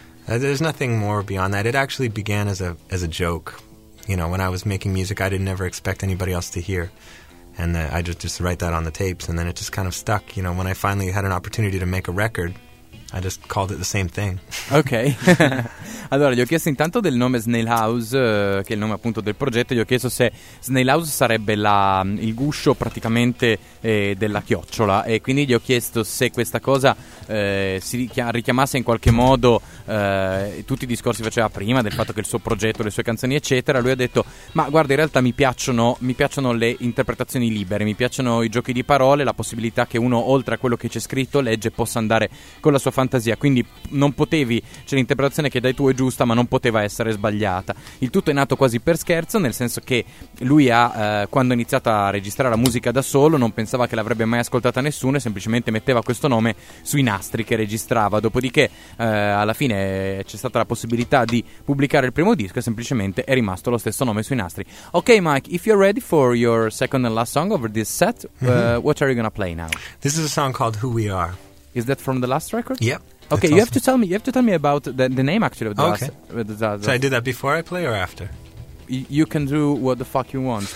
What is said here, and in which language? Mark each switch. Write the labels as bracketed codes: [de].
[en] There's nothing more beyond that. It actually began as a joke. You know, when I was making music, I didn't ever expect anybody else to hear. And I just write that on the tapes, and then it just kind of stuck. You know, when I finally had an opportunity to make a record, I just called it the same thing. Okay. [it] Allora, gli ho chiesto intanto del nome Snail House, che è il nome appunto del progetto. Gli ho chiesto se Snail House sarebbe il guscio praticamente della chiocciola, e quindi gli ho chiesto se questa cosa richiamasse in qualche modo tutti i discorsi che faceva prima del fatto che il suo progetto, le sue canzoni eccetera. Lui ha detto: ma guarda, in realtà mi piacciono le interpretazioni libere, mi piacciono i giochi di parole, la possibilità che uno, oltre a quello che c'è scritto, legge, possa andare con la sua fantasia. Quindi non potevi, c'è l'interpretazione che dai tu è giusta, ma non poteva essere sbagliata. Il tutto è nato quasi per scherzo, nel senso che lui ha quando ha iniziato a registrare la musica da solo, non pensava che l'avrebbe mai ascoltata nessuno, e semplicemente metteva questo nome sui nastri che registrava. Dopodiché alla fine c'è stata la possibilità di pubblicare il primo disco, e semplicemente è rimasto lo stesso nome sui nastri. [en] Ok, Mike, if you're ready for your second and last song over this set, what are you gonna play now? This is a song called Who We Are. Is that from the last record? Yep. Okay, awesome. You have to tell me about the name actually of the last. Okay. Should I do that before I play or after? You can do what the fuck you want.